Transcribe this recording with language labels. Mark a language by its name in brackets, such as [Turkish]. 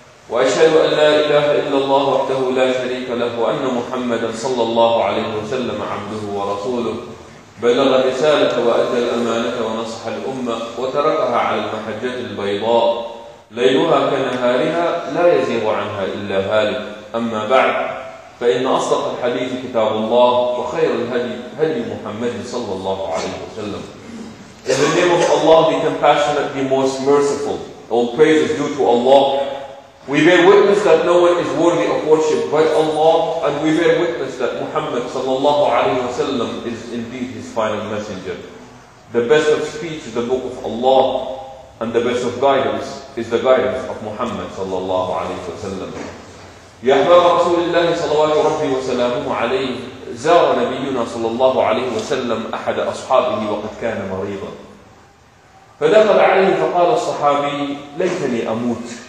[Arabic] وأشهد أن لا إله إلا الله وحده لا شريك له، وأن محمدا صلى الله عليه وسلم عبده ورسوله، بلغ الرسالة وأدى الأمانة ونصح الأمة وتركها على المحجة البيضاء، ليلها كنهارها لا يزيغ عنها إلا هالك. أما بعد، فإن أصدق الحديث كتاب الله، وخير الهدي هدي محمد صلى الله عليه وسلم. [English] In the name of Allah, the compassionate, the most merciful, all praise is due to Allah. We bear witness that no one is worthy of worship but Allah, and we bear witness that Muhammad sallallahu alayhi wa sallam is indeed his final messenger. The best of speech is the book of Allah, and the best of guidance is the guidance of Muhammad sallallahu alayhi wa sallam. [Arabic] Ya ahbaba Rasulillahi sallallahu alayhi wa sallamu alayhi. زار نبينا صلى الله عليه وسلم أحد أصحابه وقد كان مريضا، فدخل عليه فقال الصحابي: ليتني أموت.